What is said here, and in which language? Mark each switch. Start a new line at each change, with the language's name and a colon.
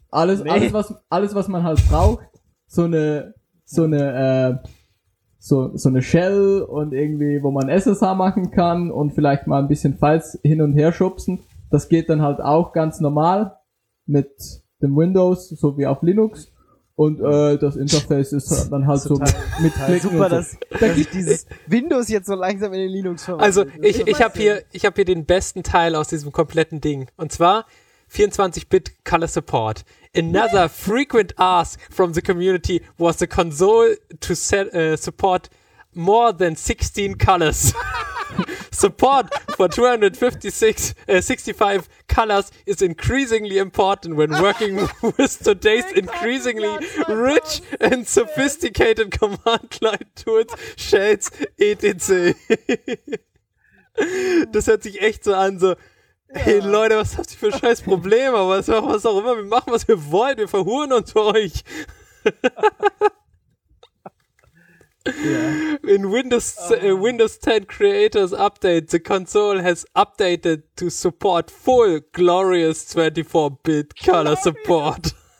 German: Alles, was man halt braucht, so eine Shell und irgendwie, wo man SSH machen kann und vielleicht mal ein bisschen Files hin und her schubsen, das geht dann halt auch ganz normal mit dem Windows, so wie auf Linux. Und das Interface ist dann halt total, so mit Klicken super, und so. Dass ich dieses Windows jetzt so langsam in den Linux verwandelt. Also ich habe hier den besten Teil aus diesem kompletten Ding. Und zwar...
English: 24-Bit Color Support. Another frequent ask from the community was the console to set, support more than 16 colors. Support for 265 colors is increasingly important when working with today's increasingly rich and sophisticated command line tools, shades, etc.
German: Das hört sich echt so an, so, hey Leute, was habt ihr für scheiß Probleme, was auch immer, wir machen, was wir wollen, wir verhuren uns für euch.
English: Yeah. In Windows, Windows 10 Creators Update, the console has updated to support full glorious 24-bit color support.